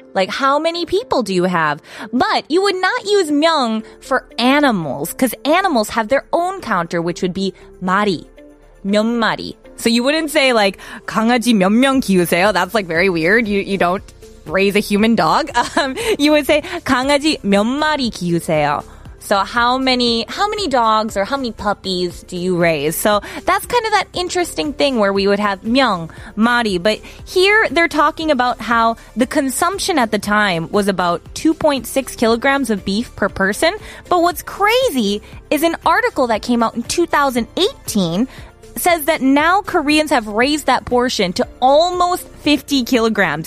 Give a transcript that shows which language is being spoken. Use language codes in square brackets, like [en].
[en] Like, how many people do you have? But you would not use 명 for animals, because animals have their own counter, which would be 마리, 몇 마리. So you wouldn't say, like, [ko] 강아지 몇 명 키우세요? [en] That's, like, very weird. You don't raise a human dog. You would say, [ko] 강아지 몇 마리 키우세요? [en] So how many dogs or how many puppies do you raise? So that's kind of that interesting thing where we would have 명, 마리. But here they're talking about how the consumption at the time was about 2.6 kilograms of beef per person. But what's crazy is an article that came out in 2018 says that now Koreans have raised that portion to almost 50 kilograms.